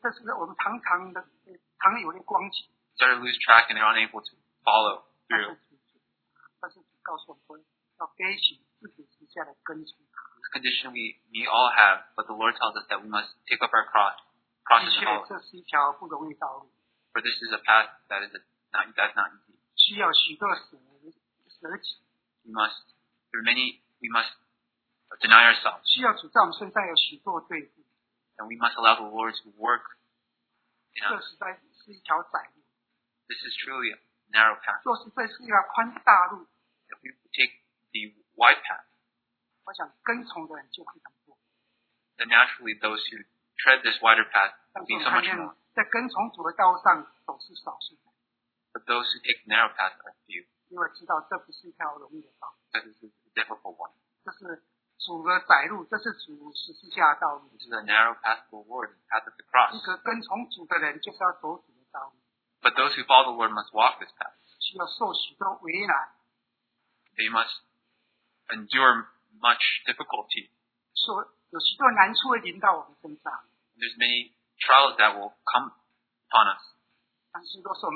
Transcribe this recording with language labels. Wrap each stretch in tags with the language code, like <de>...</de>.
<zh>这是我们常常的，常有的光景。</zh> <en>Start to lose track and they're unable to follow through.</en> <zh>但是告诉我们，要背起自己之下的跟从。</zh> <en>Condition we all have, but the Lord tells us that we must take up our cross and follow.</en> <zh>这是一条不容易道路。</zh> <en>For this is a path that is not easy.</en> <zh>需要许多舍己。</zh> <en>We must deny ourselves.</en> <zh>需要主在我们身上有许多对付。</zh> <en>And we must allow the Lord to work in us.</en> <zh>这实在是一条窄路。</zh> <en>This is truly a narrow path.</en> <zh>若是这是一条宽大路。</zh> <en>If we take the wide path.</en> <zh>我想跟从的人就会很多。</zh> <en>Then naturally, those who tread this wider path will be so much more.</en> <zh>在跟从主的道上总是少数的。</zh> <en>But those who take narrow path are few.</en> <zh>因为知道这不是一条容易的道。</zh> <en>That is a difficult one.</en> <zh>这是主的窄路，这是主十字架的道路。</zh> <en>This is a narrow path for the Lord, path of the cross.</en> <zh>一个跟从主的人就是要走主的道路。</zh> <en>But those who follow the Lord must walk this path.</en> <zh>需要受许多为难。</zh> <en>They must endure. Much difficulty. There's many trials that will come upon us.</en>